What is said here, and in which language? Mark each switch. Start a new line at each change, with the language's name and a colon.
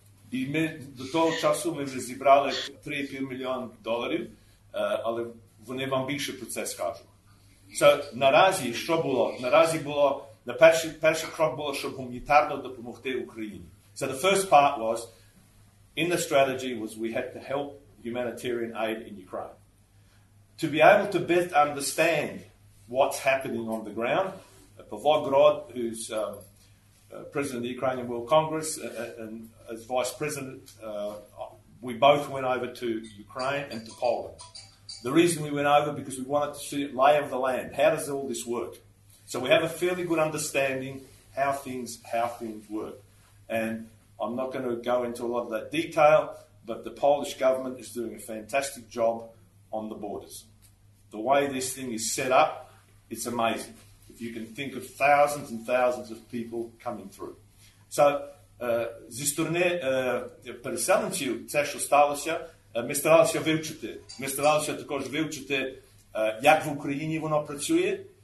Ukrainian: І ми до того часу ми вже зібрали 3,5 мільйон доларів, але вони вам більше про це скажуть. So, наразі, що було? Наразі було, на перший крок було, щоб гуманітарно допомогти Україні.
English: So, the first part was, in the strategy was we had to help humanitarian aid in Ukraine. To be able to best understand what's happening on the ground, Pavlo Grod, who's president of the Ukrainian World Congress, and as vice president, we both went over to Ukraine and to Poland. The reason we went over, because we wanted to see the lay of the land. How does all this work? So we have a fairly good understanding how things work. And I'm not going to go into a lot of that detail, but the Polish government is doing a fantastic job on the borders. The way this thing is set up, it's amazing. If you can think of thousands and thousands of people coming through.
Ukrainian: So, зі сторони переселенців, це що сталося, Ми старалися також вивчити, як в Україні воно працює.